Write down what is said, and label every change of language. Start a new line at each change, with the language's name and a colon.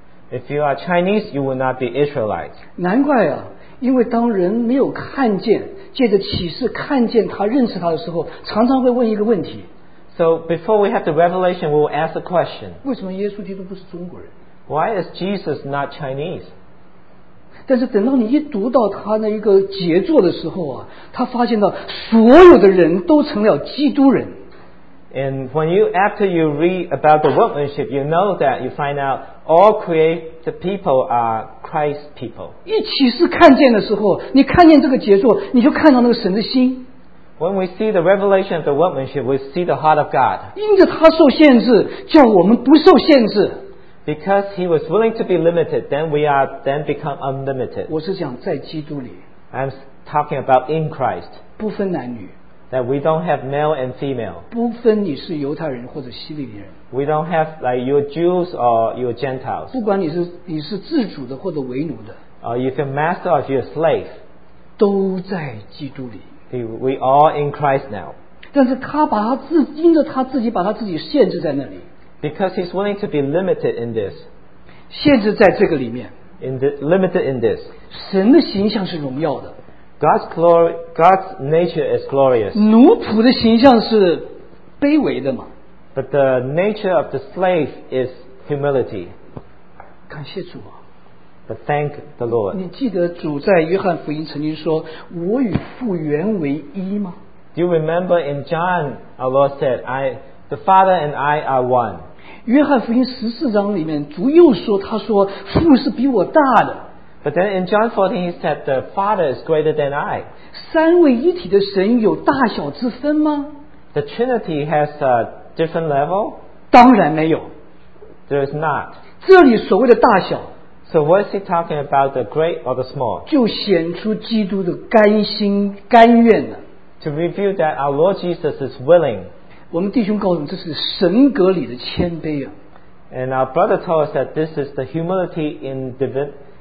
English: If you are Chinese, you will not be Israelite.
Chinese: 难怪啊， 因为当人没有看见， 借着启示看见他认识他的时候， 常常会问一个问题。
English: So before we have the revelation, we will ask a question.
Chinese: 为什么耶稣基督不是中国人？
English: Why is Jesus not Chinese?
Chinese: 但是等到你一读到他那一个杰作的时候啊， 他发现到所有的人都成了基督人。
English: And when you, after you read about the workmanship, you know that you find out all created people are Christ people.
Chinese: 一起是看见的时候， 你看见这个杰作， 你就看到那个神的心。
English: When we see the revelation of the workmanship, we see the heart of God.
Chinese: 因着他受限制， 叫我们不受限制。
English: Because he was willing to be limited, then we are then become unlimited.
Chinese: 我是讲在基督里。
English: I'm talking about in Christ.
Chinese: 不分男女。
English: That we don't have male and female.
Chinese: 不分你是犹太人或者希利尼人。
English: We don't have like your Jews or your Gentiles.
Chinese: 不管你是自主的或者为奴的。
English: Or if you're master or if you're slave.
Chinese: 都在基督里。
English: We all in Christ now.
Chinese: 但是他把他自己限制在那里。
English: Because he's willing to be limited in this.
Chinese: 限制在这个里面。
English: Limited in this.
Chinese: 神的形象是荣耀的。
English: God's glory, God's nature is glorious.
Chinese: 奴仆的形象是卑微的嘛。
English: But the nature of the slave is humility.
Chinese: 感谢主啊。
English: But thank the Lord.
Chinese: 你记得主在约翰福音曾经说， 我与父原为一吗？
English: Do you remember in John, our Lord said, the Father and I are one.
Chinese: 约翰福音14章里面， 主又说， 他说父是比我大的。
English: But then in John 14, he said, the Father is greater than I.
Chinese: 三位一体的神有大小之分吗？
English: The Trinity has a different level?
Chinese: 当然没有。
English: There is not.
Chinese: 这里所谓的大小，
English: So what is he talking about, the great or the small?
Chinese: 就显出基督的甘心甘愿了。
English: To reveal that our Lord Jesus is willing.
Chinese: 我们弟兄告诉我们这是神格里的谦卑啊。
English: And our brother told us that this is the humility in divine.